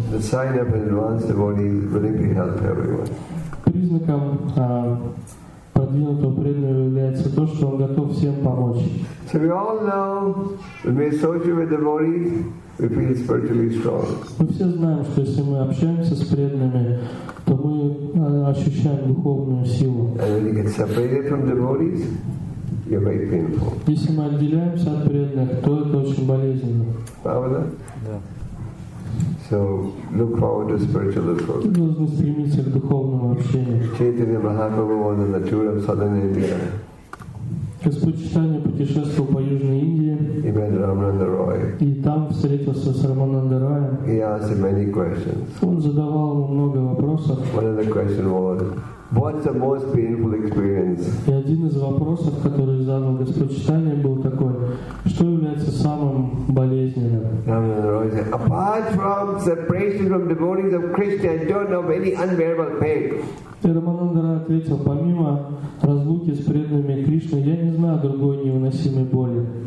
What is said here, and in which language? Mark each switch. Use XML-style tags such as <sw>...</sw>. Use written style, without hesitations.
<en>The sign of an advanced devotee willing to help everyone.</en> <ru>Признаком продвинутого преданного является то, что он готов всем помочь.</ru> <en>So we all know when we associate with devotees, we feel spiritually strong.</en> <ru>Мы все знаем, что если мы общаемся с преданными, то мы ощущаем духовную силу.</ru> <en>And when you get separated from devotees, you're very painful.</en> <ru>Если мы отделяемся от преданных, то это очень болезненно. Правда? Да.</ru> <en>So look forward to spiritual growth.</en> <ru>Мы должны стремиться к духовному общению.</ru> <en>Chaitanya Mahaprabhu was on the tour of southern India.</en> <ru>Господь Чайтанья путешествовал по Южной Индии. Индии.</ru> <en>He met Рамананда Рой.</en> <ru>И там встретился с Рамананда Роем.</ru> <en>He asked him many questions.</en> <ru>Он задавал ему много вопросов.</ru> <en>One of the questions was, what's the most painful experience?</en> <ru>И один из вопросов, который задал Господь Читания, был такой: что является самым болезненным?</ru> <en>Рамананда Рой said, apart from separation from devotees of Krishna, I don't know of any unbearable pain.</en> <ru>И Рамананда Рай ответил: помимо разлуки с преданными Кришны, я не знаю другой невыносимой боли.</ru>